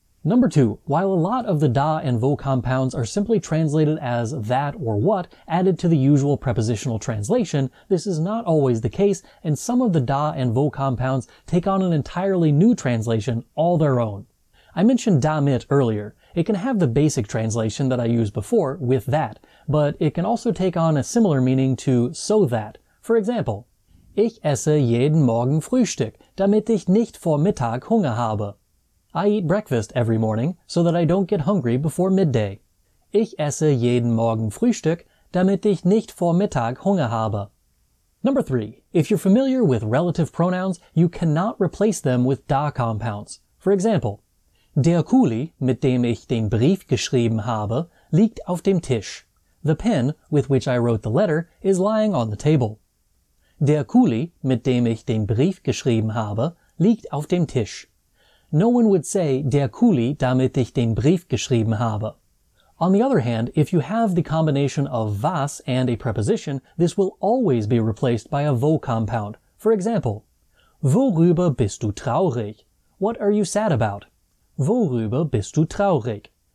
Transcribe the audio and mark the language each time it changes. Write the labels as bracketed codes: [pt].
[en] Number two, while a lot of the da and wo compounds are simply translated as that or what added to the usual prepositional translation, this is not always the case, and some of the da and wo compounds take on an entirely new translation all their own. I mentioned damit earlier. It can have the basic translation that I used before with that, but it can also take on a similar meaning to so that. For example, [de] ich esse jeden Morgen Frühstück, damit ich nicht vor Mittag Hunger habe. [en] I eat breakfast every morning, so that I don't get hungry before midday. [de] Ich esse jeden Morgen Frühstück, damit ich nicht vor Mittag Hunger habe. [en] Number three. If you're familiar with relative pronouns, you cannot replace them with da compounds. For example, [de] Der Kuli, mit dem ich den Brief geschrieben habe, liegt auf dem Tisch. [en] The pen, with which I wrote the letter, is lying on the table. [de] Der Kuli, mit dem ich den Brief geschrieben habe, liegt auf dem Tisch. [en] No one would say, [de] der Kuli, damit ich den Brief geschrieben habe. [en] On the other hand, if you have the combination of was and a preposition, this will always be replaced by a wo compound. For example, [de] worüber bist du traurig? [en] What are you sad about? [de] Worüber bist du traurig?